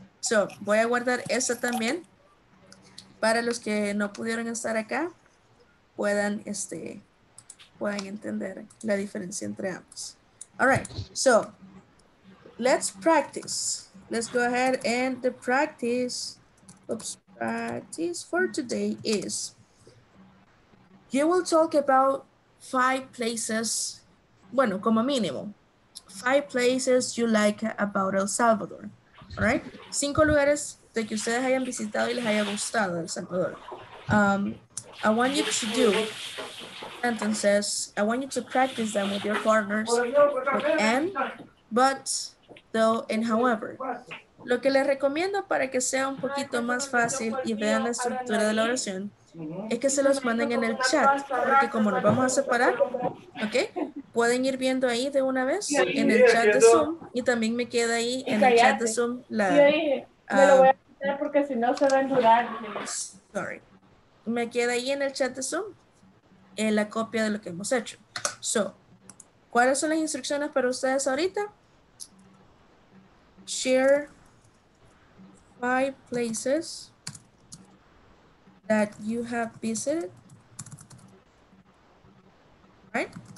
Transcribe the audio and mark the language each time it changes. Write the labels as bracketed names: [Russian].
[Spanish] So, voy a guardar esa también para los que no pudieron estar acá, puedan, puedan entender la diferencia entre ambos. [English] All right, so, let's practice. let's go ahead and the practice. Oops, practice for today is you will talk about five places, [Spanish] bueno, como mínimo, [English] five places you like about El Salvador, all right? [Spanish] Cinco lugares de que ustedes hayan visitado y les haya gustado El Salvador. [English] I want you to do sentences. I want you to practice them with your partners, with and, but, though, and however. [Spanish] Lo que les recomiendo para que sea un poquito más fácil y vean la estructura de la oración es que se los manden en el chat, porque como nos vamos a separar, ¿ok? Pueden ir viendo ahí de una vez en el chat de Zoom y también me queda ahí en el chat de Zoom la... Me lo voy a quitar porque si no se va a endurar. [English] Sorry. [Spanish] Me queda ahí en el chat de Zoom la copia de lo que hemos hecho. So, ¿cuáles son las instrucciones para ustedes ahorita? [English] Share five places that you have visited, right?